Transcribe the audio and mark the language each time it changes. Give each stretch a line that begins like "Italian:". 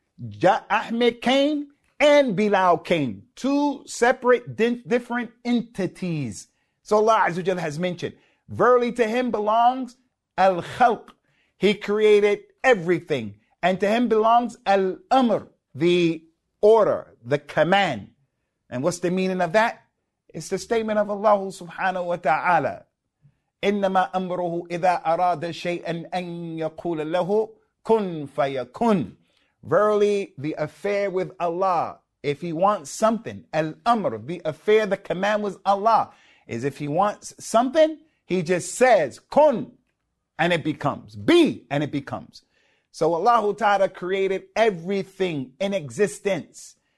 English: Ja'a Ahmed came and Bilal came. Two separate different entities. So Allah Azza wa Jalla has mentioned, verily to him belongs al-khalq. He created everything. And to him belongs al-amr, the order, the command. And what's the meaning of that? It's the statement of Allah subhanahu wa ta'ala.
Arabic: إِنَّمَا أَمْرُهُ إِذَا أَرَادَ شَيْئًا أَن يَقُولَ لَهُ كُنْ فَيَكُنْ.
English: Verily, the affair with Allah, if he wants something, al-amr, the affair, the command with Allah, is if he wants something, he just says, kun, and it becomes. Be, and it becomes. So Allah Ta'ala created everything in existence.